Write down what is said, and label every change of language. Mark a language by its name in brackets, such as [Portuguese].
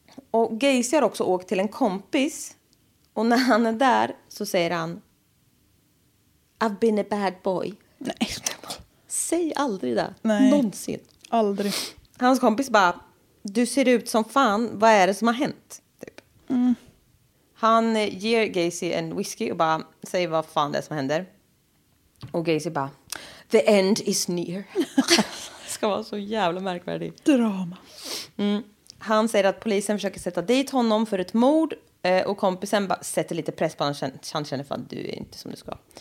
[Swedish] Och Gacy har också åkt till en kompis. Och när han är där så säger han, [English] I've been a bad boy. [Swedish] Nej. Säg aldrig det. Nej. Någonsin. Aldrig. Hans kompis bara, du ser ut som fan. Vad är det som har hänt? Typ. Mm. Han ger Gacy en whisky och bara, säg vad fan det är som händer. Och Gacy bara, [English] the end is near. [Swedish] Ska vara så jävla märkvärdig. Drama. Mm. Han säger att polisen försöker sätta dit honom för ett mord. Och kompisen bara sätter lite press på honom. Han känner för att du är inte som du ska.